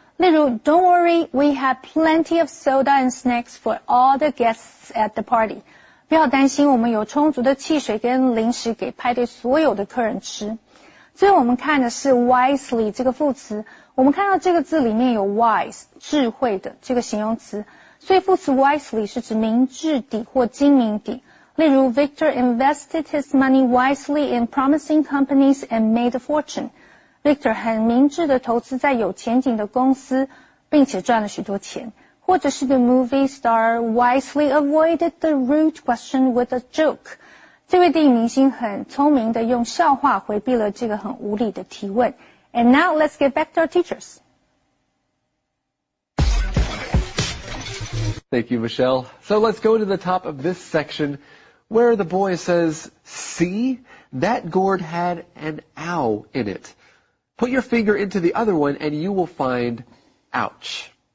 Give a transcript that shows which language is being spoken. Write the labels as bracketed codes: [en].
[zh] 例如 [en] ,Don't worry, we have plenty of soda and snacks for all the guests at the party. [zh] 不要担心我们有充足的汽水跟零食给派对所有的客人吃。所以我们看的是 wisely 这个副词我们看到这个字里面有 wise 智慧的这个形容词所以副词 wisely 是指明智的或精明的例如 [en] Victor invested his money wisely in promising companies and made a fortune [zh] Victor 很明智地投资在有前景的公司并且赚了许多钱或者是 [en] the movie star wisely avoided the rude question with a joke [zh] 这位电影明星很聪明的用笑话回避了这个很无理的提问。 [en] And now let's get back to our teachers. Thank you, Michelle. So let's go to the top of this section where the boy says, see, that gourd had an ow in it. Put your finger into the other one and you will find ouch.